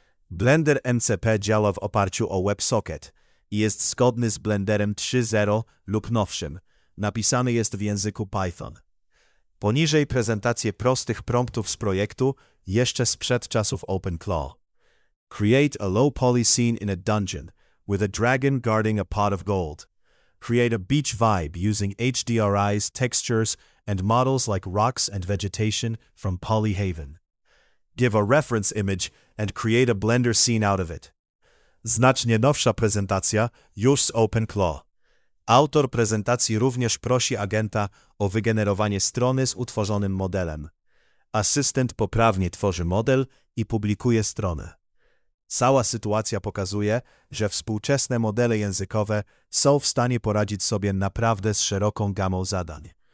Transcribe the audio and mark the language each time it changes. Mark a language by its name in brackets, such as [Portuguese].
[Polish] Blender MCP działa w oparciu o WebSocket i jest zgodny z Blenderem 3.0 lub nowszym. Napisany jest w języku Python. Poniżej prezentację prostych promptów z projektu jeszcze sprzed czasów OpenClaw. [English] Create a low-poly scene in a dungeon with a dragon guarding a pot of gold. Create a beach vibe using HDRI's textures and models like rocks and vegetation from Polyhaven. Give a reference image and create a Blender scene out of it. [Polish] Znacznie nowsza prezentacja już z OpenClaw. Autor prezentacji również prosi agenta o wygenerowanie strony z utworzonym modelem. Asystent poprawnie tworzy model i publikuje stronę. Cała sytuacja pokazuje, że współczesne modele językowe są w stanie poradzić sobie naprawdę z szeroką gamą zadań.